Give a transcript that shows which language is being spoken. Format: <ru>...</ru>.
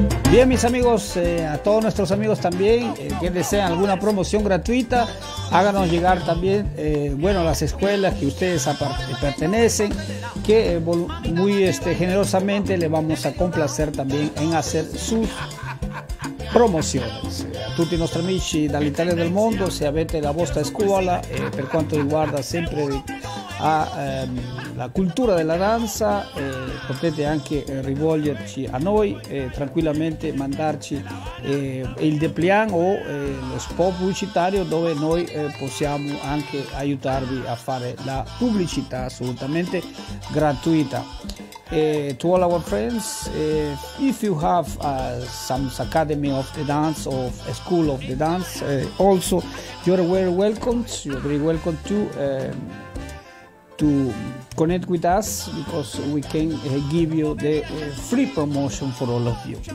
<es>Bien, mis amigos, a todos nuestros amigos también, que desean alguna promoción gratuita, háganos llegar también, bueno, las escuelas que ustedes pertenecen, que muy generosamente le vamos a complacer también en hacer sus promociones.</es> <it>Tutti nostri amici dall'Italia del mondo, se avete la vostra scuola, per quanto riguarda sempre a la cultura della danza, potete anche rivolgerci a noi tranquillamente, mandarci il dépliant o lo spot pubblicitario, dove noi possiamo anche aiutarvi a fare la pubblicità assolutamente gratuita.</it> <en>To all our friends, if you have some Academy of the Dance or a School of the Dance, also you're very welcome. You're very welcome to connect with us, because we can give you the free promotion for all of you.</en>